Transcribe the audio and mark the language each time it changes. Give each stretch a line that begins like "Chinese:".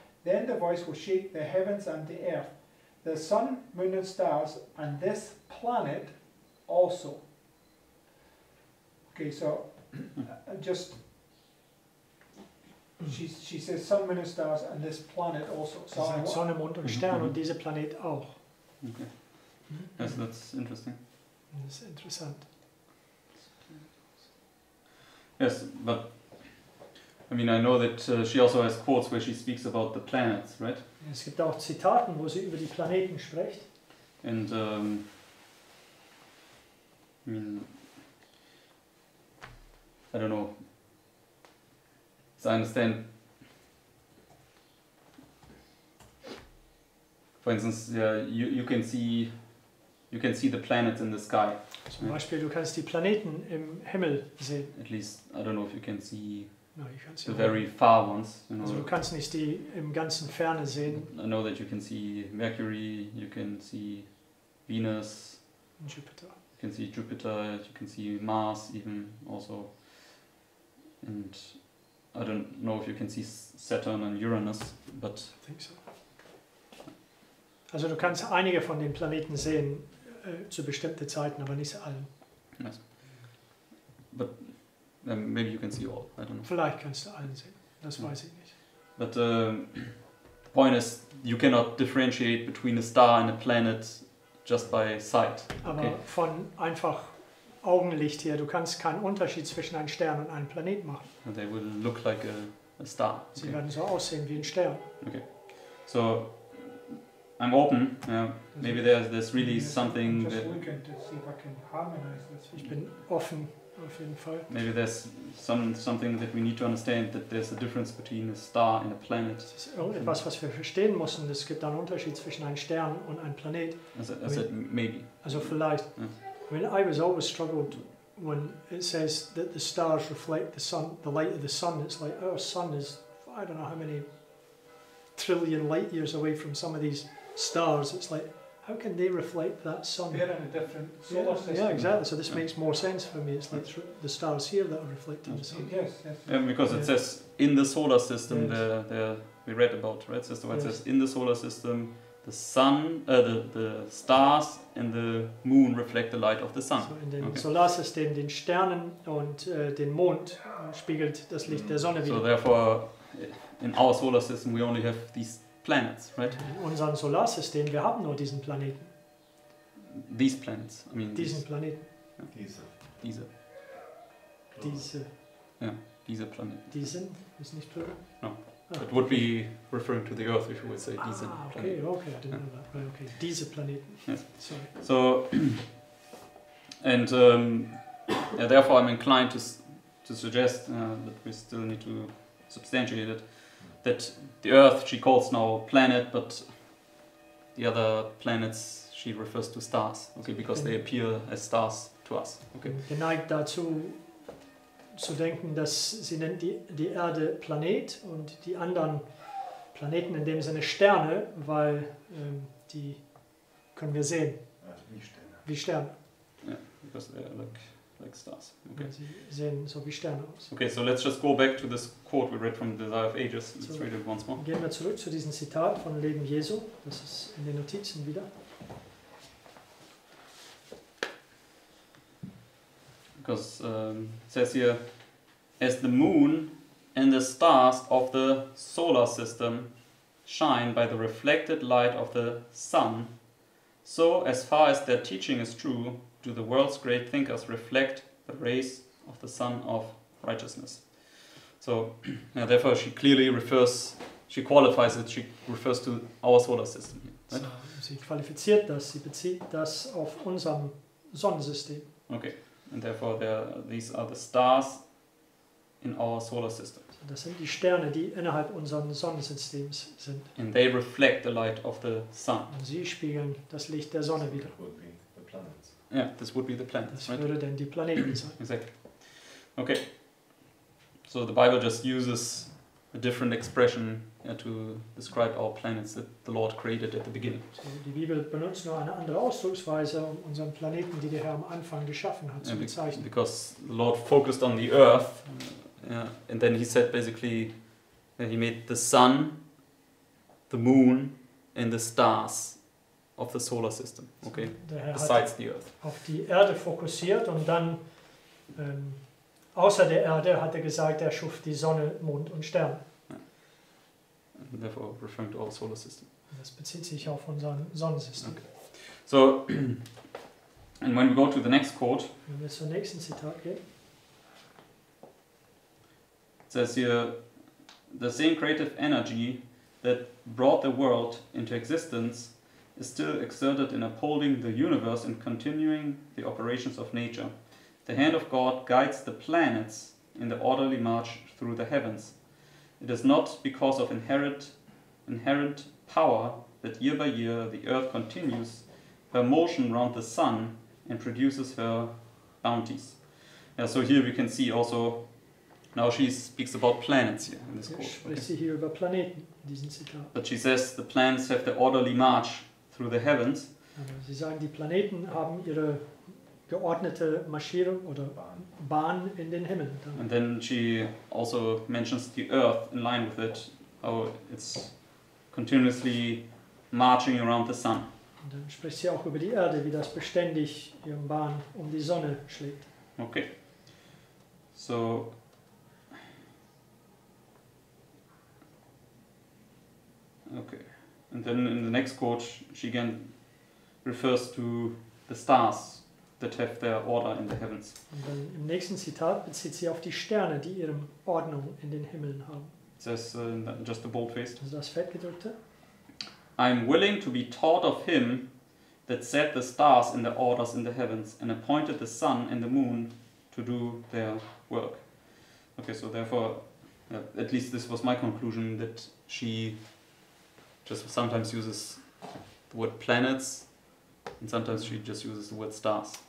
English: Then the voice will shake the heavens and the earth, the sun, moon and stars, and this planet also. Okay, so just... She says sun, moon and stars and this planet also.
German: So like Sonne, Mond und Stern und dieser Planet auch.
English: Okay. Yes, that's interesting. That's interesting. Yes, but I mean I know that she also has quotes where she speaks about the planets, right?
German: Es gibt auch Zitaten, wo sie über die Planeten spricht.
English: And I mean I don't know. So I understand. For instance, you can see the planets in the sky.
German: Zum Beispiel, du kannst die Planeten im Himmel sehen.
English: At least, I don't know if you can see very far ones. You know.
German: Also du kannst nicht die im ganzen Ferne sehen.
English: I know that you can see Mercury, you can see Venus. And Jupiter. You can see Jupiter, you can see Mars even also. And I don't know if you can see Saturn and Uranus, but... I think so.
German: Also du kannst einige von den Planeten sehen, zu bestimmten Zeiten, aber nicht alle.
English: Yes. But maybe you can see all. I don't know.
German: Vielleicht kannst du allen sehen. Das weiß ich nicht.
English: But the point is, you cannot differentiate between a star and a planet just by sight.
German: Aber
English: okay.
German: Von einfach Augenlicht her, du kannst keinen Unterschied zwischen einem Stern und einem Planet machen.
English: And they will look like a star.
German: Okay. Sie werden so aussehen wie ein Stern.
English: Okay. So. I'm open. Yeah. Maybe there's really something. Just that look into see if I can harmonize this.
German: Ich bin offen auf jeden Fall.
English: Maybe there's something that we need to understand that there's a difference between a star and a planet.
German: Es ist irgendetwas, was wir verstehen müssen. Es gibt einen Unterschied zwischen einem Stern und einem Planet.
English: I said maybe.
German: Also vielleicht.
English: Yeah. I mean, I was always struggled when it says that the stars reflect the sun, the light of the sun. It's like our sun is, I don't know how many trillion light years away from some of these stars. It's like, how can they reflect that sun? They're in a different solar system. Yeah, exactly. So this makes more sense for me. It's like the stars here that are reflecting the sun. Yes, yes. Yeah, because it says in the solar system, there we read about, right? Sister White says in the solar system, the sun, the stars and the moon reflect the light of the sun.
German: So in dem
English: solar system,
German: den Sternen und den Mond spiegelt das Licht der Sonne wieder.
English: So therefore, in our solar system, we only have these planets, right?
German: In unserem Solarsystem, wir haben nur diesen Planeten.
English: These planets, I mean.
German: Diesen Planeten.
English: Yeah.
German: Diese. Diese. Yeah, diese Planeten. Diesen ist nicht plural.
English: No, it would be referring to the Earth if you would say diesen. Ah, okay, planeten. Okay, I didn't know that. Right, okay,
German: diese Planeten.
English: Yes. Sorry. So, and therefore, I'm inclined to suggest that we still need to substantiate it. That the Earth she calls now planet, but the other planets she refers to stars, okay, because they appear as stars to us. Okay.
German: Geneigt dazu zu denken, dass sie nennt die Erde Planet und die anderen Planeten in dem Sinne Sterne, weil die können wir sehen. Also wie Sterne. Wie Sterne.
English: Yeah, because they are like stars. Okay.
German: Sie sehen so wie Sterne aus.
English: Okay, so let's just go back to this quote we read from the Desire of Ages. Let's read it once more.
German: Gehen wir zurück zu diesem Zitat von Leben Jesu. Das ist in den Notizen wieder.
English: Because it says here, as the moon and the stars of the solar system shine by the reflected light of the sun, so as far as their teaching is true, do the world's great thinkers reflect the rays of the sun of righteousness. So now therefore she clearly refers, she qualifies it, she refers to our solar system. Right?
German: So, sie qualifiziert das, sie bezieht das auf unserem Sonnensystem.
English: Okay, and therefore there, these are the stars in our solar system.
German: So, das sind die Sterne, die innerhalb unseres Sonnensystems sind.
English: And they reflect the light of the sun.
German: Und sie spiegeln das Licht der Sonne wieder.
English: Yeah, this would be the planets,
German: das
English: right?
German: Das würde dann die Planeten sein.
English: Exactly. Okay. So the Bible just uses a different expression to describe our planets that the Lord created at the beginning.
German: So die Bibel benutzt nur eine andere Ausdrucksweise, um unseren Planeten, die der Herr am Anfang geschaffen hat, zu bezeichnen.
English: Because the Lord focused on the earth, and then he said basically that he made the sun, the moon, and the stars of the solar system, okay, besides the earth.
German: Auf die Erde fokussiert und dann außer der Erde hat gesagt, schuf die Sonne, Mond und Sterne.
English: And therefore referring to our solar system.
German: Das bezieht sich auf unser Sonnensystem.
English: Okay. So, and when we go to the next quote,
German: wenn wir zum nächsten Zitat gehen,
English: it says here, the same creative energy that brought the world into existence is still exerted in upholding the universe and continuing the operations of nature. The hand of God guides the planets in the orderly march through the heavens. It is not because of inherent power that year by year the earth continues her motion round the sun and produces her bounties. Yeah, so here we can see also, now she speaks about planets here in this quote.
German: Okay. Sprich hier über Planeten, diesen Zitat.
English: But she says the planets have the orderly march through the heavens.
German: Sie sagen, die Planeten haben ihre geordnete Marschierung oder Bahn in den Himmel.
English: And then she also mentions the earth in line with it, how it's continuously marching around the sun.
German: Und dann spricht sie auch über die Erde, wie das beständig ihren Bahn um die Sonne schlägt.
English: Okay. So, okay. And then in the next quote, she again refers to the stars that have their order in the heavens.
German: Und dann im nächsten Zitat bezieht sie auf die Sterne, die ihre Ordnung in den Himmeln haben.
English: It says, just the bold-faced.
German: Also das Fettgedrückte.
English: I am willing to be taught of him that set the stars in their orders in the heavens and appointed the sun and the moon to do their work. Okay, so therefore, at least this was my conclusion, that she just sometimes uses the word planets, and sometimes she just uses the word stars.